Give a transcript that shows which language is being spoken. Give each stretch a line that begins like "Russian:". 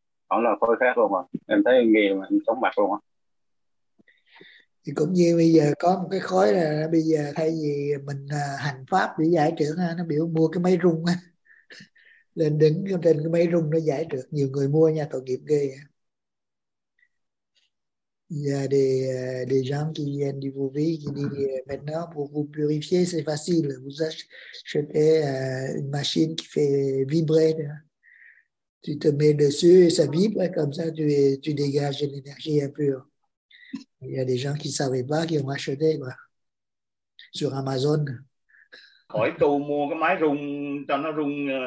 Vietnamese: Đó là khối khác luôn rồi. Em thấy em nghe mà em chóng mặt luôn á. Thì cũng như bây giờ có một cái khối là bây giờ thay vì mình hành pháp để giải trưởng, nó biểu mua cái máy rung á. Lên đứng trên cái máy rung nó giải được. Nhiều người mua nha, tội nghiệp ghê.
French: Và des gens qui viennent du Vouvi qui disent maintenant pour vous purifier c'est facile, vous achetez une machine qui fait vibrer, tu te mets dessus et ça vibre, comme ça tu dégages l'énergie impure. Il y a des gens qui ne savaient pas qui ont acheté quoi, sur Amazon.
Vietnamese: Hỏi tu mua cái máy rung cho nó rung